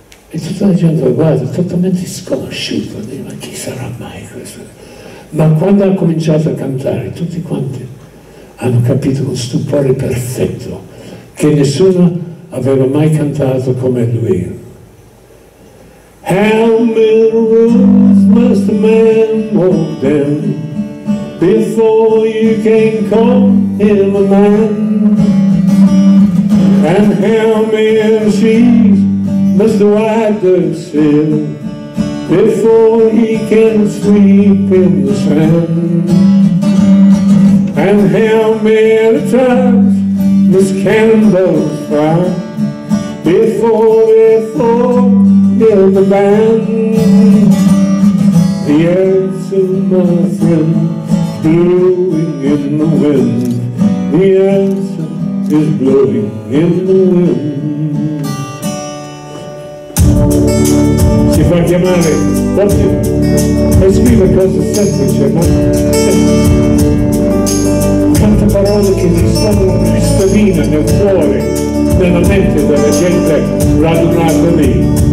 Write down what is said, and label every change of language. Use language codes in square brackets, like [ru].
[it] E tutta la gente lo guarda, totalmente sconosciuto, dice, ma chi sarà mai questo? Ma quando ha cominciato a cantare, tutti quanti hanno capito con stupore perfetto che nessuno aveva mai cantato come lui. [en] How many roads must a man walk down before you can call him a man? And how many seas must the white dove sail before he can sleep in the sand? And how many times must candles fry before they forget the band? The answer, my friend, blowing in the wind. The answer is blowing in the wind. [it] Fa chiamare Bob e scrive cose semplici, ma tante parole che rispondono cristalline nel cuore, nella mente della gente radunata lì.